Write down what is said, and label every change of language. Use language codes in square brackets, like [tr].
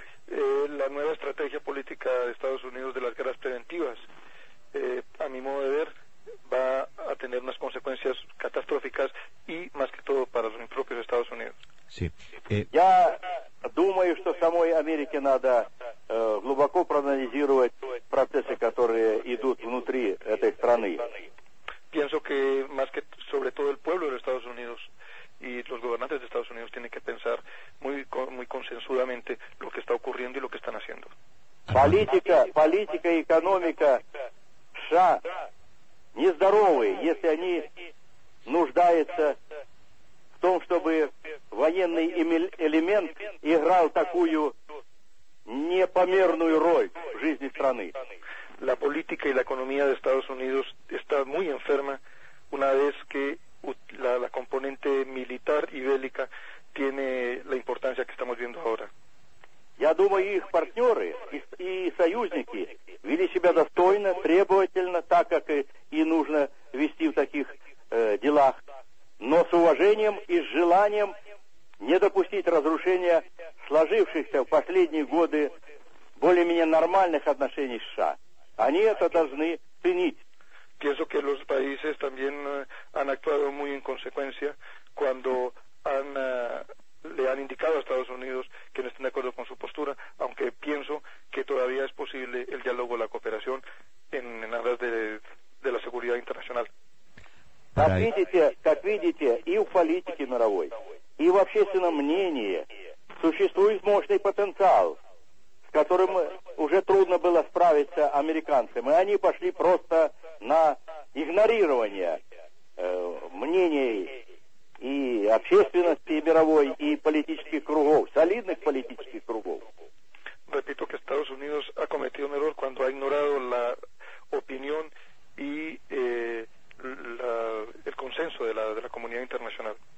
[es] La nueva estrategia política de Estados Unidos de las guerras preventivas, a mi modo de ver, va a tener unas consecuencias catastróficas y más que todo para los propios Estados Unidos. Sí. [ru] Я думаю, что самой Америке надо глубоко проанализировать процессы, которые идут внутри этой страны. [es] Pienso que más que sobre todo el pueblo de los Estados Unidos y los gobernantes de Estados Unidos tienen que pensar muy muy consensuadamente lo que está ocurriendo y lo que están haciendo. Política y económica [ru] США нездоровые, если они нуждаются в том, чтобы военный элемент играл такую непомерную роль в жизни страны. [es] La política y la economía de Estados Unidos está muy enferma una vez que la componente militar y bélica tiene la importancia que estamos viendo ahora. [ru] Я думаю, их партнеры и союзники вели себя достойно, требовательно, так как и нужно вести в таких делах, но с уважением и с желанием не допустить разрушения сложившихся в последние годы более-менее нормальных отношений с США. Они это должны ценить. [es] Pienso que los países también han actuado muy en consecuencia cuando han le han indicado a Estados Unidos que no estén de acuerdo con su postura, aunque pienso que todavía es posible el diálogo, la cooperación en aras de la seguridad internacional. [ru] Как видите, и в политике мировой, и в общественном мнении существует мощный потенциал, с которым уже трудно было справиться американцам, и они пошли просто на игнорирование мнений и общественности мировой, и политических кругов, солидных политических кругов. [es] Repito que Estados Unidos ha cometido un error cuando ha ignorado la opinión y el consenso de la comunidad internacional.